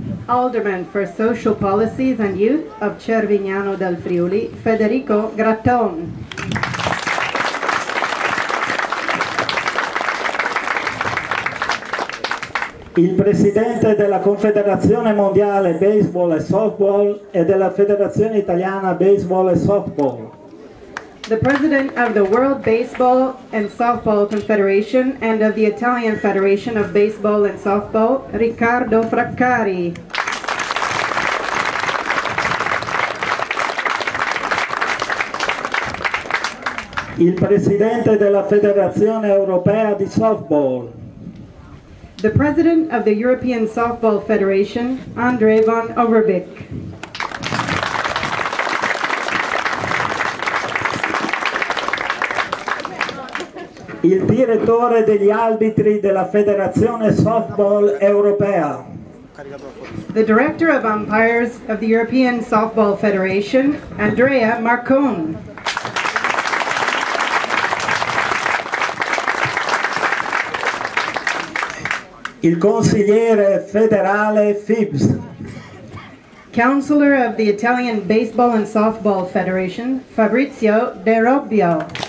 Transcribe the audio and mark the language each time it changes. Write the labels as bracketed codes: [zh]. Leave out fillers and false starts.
[en] Alderman for Social Policies and Youth of Cerignano del Friuli, Federico Gratton. [it] Il presidente della Confederazione Mondiale Baseball e Softball e della Federazione Italiana Baseball e Softball. [en] The president of the World Baseball and Softball Confederation and of the Italian Federation of Baseball and Softball, Riccardo Fraccari. [it] Il presidente della Federazione Europea di Softball. [en] The President of the European Softball Federation, André van Overbeek. [it] Il direttore degli arbitri della Federazione Softball Europea. [en] The Director of Umpires of the European Softball Federation, Andrea Marcon. [it] Il consigliere federale FIBS. [en] Counselor of the Italian Baseball and Softball Federation, Fabrizio De Robbio.